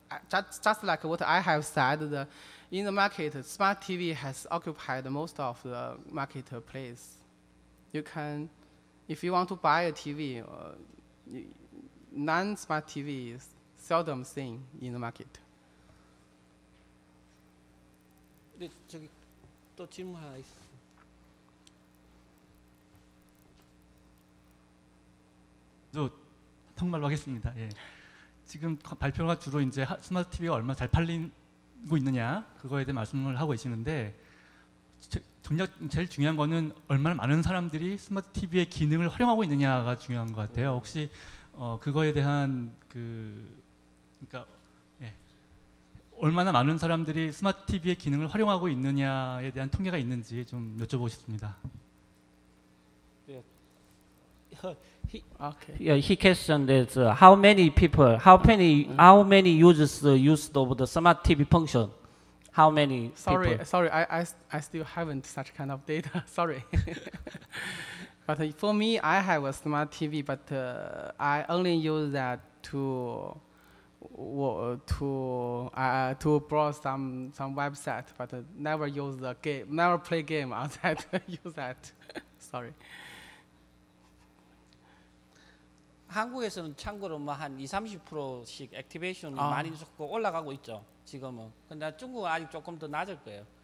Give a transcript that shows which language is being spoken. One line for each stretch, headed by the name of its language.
English: Just like what I have said, the in the market, smart TV has occupied most of the marketplace. You can, if you want to buy a TV, non-smart TV is seldom seen in the market.
Korean: 네, 저기 또 질문 하나 있어. 저 통말로 하겠습니다. 예. 지금 발표가 주로 이제 스마트 TV가 얼마 잘 팔리고 있느냐 그거에 대해 말씀을 하고 계시는데 정작 제일 중요한 거는 얼마나 많은 사람들이 스마트 TV의 기능을 활용하고 있느냐가 중요한 것 같아요. 혹시 그거에 대한 그러니까 얼마나 많은 사람들이 스마트 TV의 기능을 활용하고 있느냐에 대한 통계가 있는지 좀 여쭤보고 싶습니다. 네. Okay.
English: Yeah, he questioned that how many users used of the smart TV function? How many? Sorry, people? Sorry, I still haven't such kind of data. Sorry, but for me, I have a smart TV, but I only use that to browse some website, but never use the game, never play game outside. Use that. Sorry.
Korean: 한국에서는 참고로 뭐 한 20-30%씩 액티베이션이 많이 속고 올라가고 있죠. 지금은. 근데 중국은 아직 조금 더 낮을 거예요.